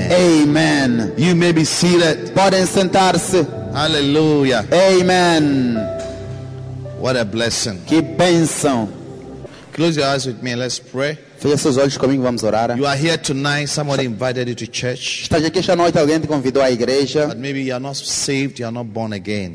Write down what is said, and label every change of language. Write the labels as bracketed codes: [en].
[en] Amen. You may be seated. [pt] Podem sentar-se. [en] Hallelujah. Amen. What a blessing. [pt] Que bênção. [en] Close your eyes with me and let's pray. [pt] Feche seus olhos comigo, vamos orar. [en] You are here tonight, somebody invited you to church. [pt] Estás aqui esta noite, alguém te convidou à igreja. [en] But maybe you are not saved, you are not born again.